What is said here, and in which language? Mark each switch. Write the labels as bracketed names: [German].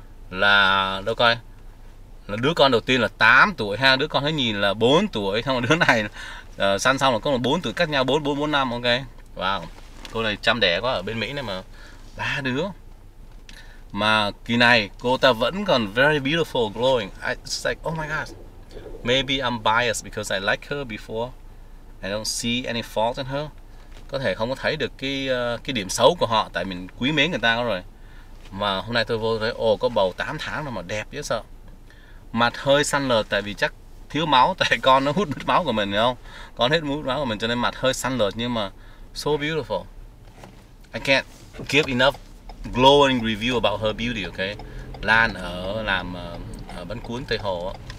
[Vietnamese] Là đâu coi, là đứa con đầu tiên là 8 tuổi ha. Đứa con thứ nhì là 4 tuổi. Xong rồi đứa này săn xong là có 4 tuổi, cách nhau 4-4-4-5, ok. Wow, cô này chăm đẻ quá, ở bên Mỹ này mà 3 đứa. Mà kỳ này cô ta vẫn còn [English] very beautiful, glowing. It's like, oh my god. Maybe I'm biased because I like her before. I don't see any fault in her. [Vietnamese] Có thể không có thấy được cái điểm xấu của họ, tại mình quý mến người ta rồi. Mà hôm nay tôi vô thấy, có bầu 8 tháng rồi mà đẹp chứ sợ. Mặt hơi săn lợt tại vì chắc thiếu máu, tại con nó hút máu của mình, hiểu không? Con hết hút máu của mình cho nên mặt hơi săn lợt, nhưng mà [English] so beautiful. I can't give enough glowing review about her beauty, okay? [Vietnamese] Lan ở làm ở bánh cuốn Tây Hồ.